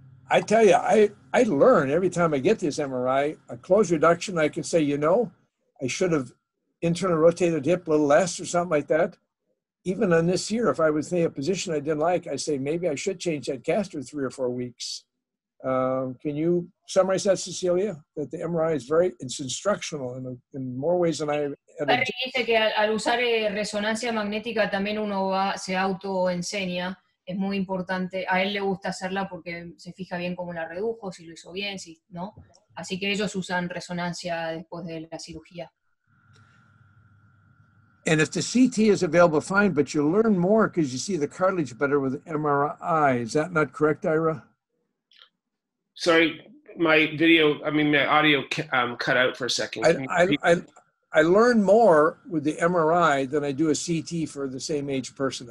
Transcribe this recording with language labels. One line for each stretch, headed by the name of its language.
English: I tell you, I learn every time I get this MRI, a close reduction, I can say, I should have internal rotated hip a little less or something like that. Even on this here, if I was in a position I didn't like, I say, maybe I should change that caster 3 or 4 weeks. Can you summarize that, Cecilia? That the MRI is it's instructional in more ways than I had.
Spanish: Perry dice que al usar resonancia magnética también uno se autoenseña. es muy importante, a él le gusta hacerla porque se fija bien cómo la redujo, si lo hizo bien, si, ¿no? Así que ellos usan resonancia después de la cirugía.
English: And if the CT is available, fine, but you learn more because you see the cartilage better with MRI. Is that not correct, Ira? Sorry, my audio cut out for a second. I learn more with the MRI than I do a CT for the same age person.